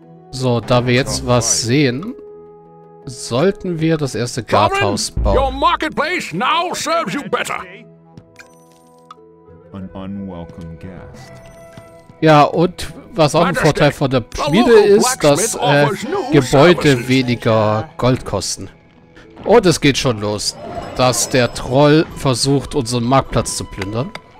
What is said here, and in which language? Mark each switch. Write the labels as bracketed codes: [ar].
[de] So, da wir jetzt was sehen, sollten wir das erste Guardhaus bauen. [en] Your marketplace now serves you better. An unwelcome guest. [de] Ja, und was auch ein Vorteil von der Schmiede ist, dass Gebäude weniger Gold kosten. Und es geht schon los, dass der Troll versucht, unseren Marktplatz zu plündern.